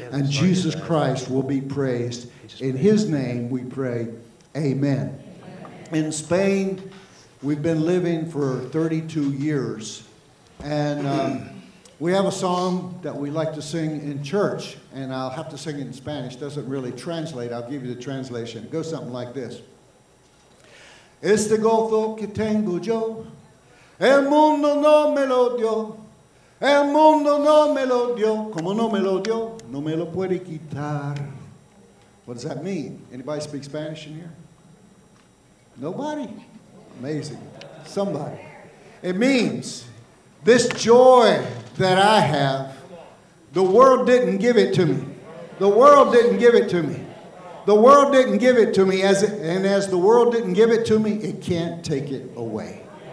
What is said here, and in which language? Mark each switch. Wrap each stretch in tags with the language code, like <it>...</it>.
<en>And Jesus Christ will be praised. In his name we pray, amen. In Spain, we've been living for 32 years. And we have a song that we like to sing in church. And I'll have to sing it in Spanish. It doesn't really translate. I'll give you the translation. It goes something like this.</en> <es>Este gozo que tengo yo, el mundo no me lo dio, el mundo no me lo dio, como no me lo dio, no me lo puede quitar.</es> <en>What does that mean? Anybody speak Spanish in here? Nobody? Amazing. Somebody. It means this joy that I have, the world didn't give it to me. The world didn't give it to me. The world didn't give it to me, as the world didn't give it to me, it can't take it away.</en>